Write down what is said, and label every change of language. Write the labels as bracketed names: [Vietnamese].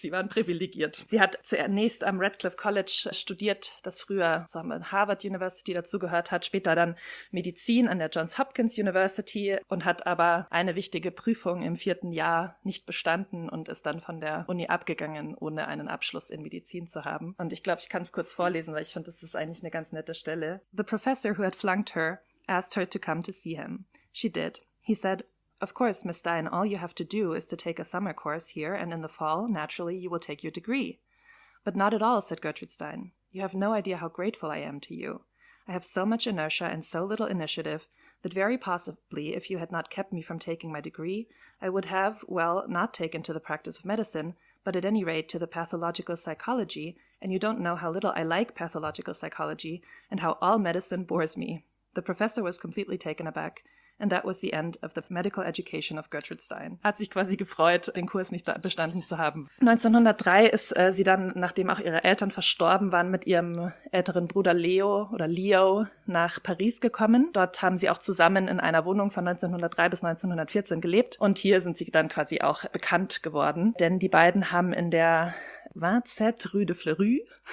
[German] Sie waren privilegiert. Sie hat zunächst am Radcliffe College studiert, das früher so haben wir Harvard University dazugehört hat, später dann Medizin an der Johns Hopkins University und hat aber eine wichtige Prüfung im 4. Jahr nicht bestanden und ist dann von der Uni abgegangen, ohne einen Abschluss in Medizin zu haben. Und ich glaube, ich kann es kurz vorlesen, weil ich finde, das ist eigentlich eine ganz nette Stelle. [English] The professor who had flunked her asked her to come to see him. She did. He said, "Of course, Miss Stein, all you have to do is to take a summer course here, and in the fall, naturally, you will take your degree." "But not at all," said Gertrude Stein. "You have no idea how grateful I am to you. I have so much inertia and so little initiative that very possibly, if you had not kept me from taking my degree, I would have, well, not taken to the practice of medicine, but at any rate to the pathological psychology, and you don't know how little I like pathological psychology and how all medicine bores me." The professor was completely taken aback. And that was the end of the medical education of Gertrude Stein. [German] Hat sich quasi gefreut, den Kurs nicht bestanden zu haben. 1903 ist sie dann, nachdem auch ihre Eltern verstorben waren, mit ihrem älteren Bruder Leo nach Paris gekommen. Dort haben sie auch zusammen in einer Wohnung von 1903 bis 1914 gelebt. Und hier sind sie dann quasi auch bekannt geworden. Denn die beiden haben in der Vingt-Sept Rue de Fleury.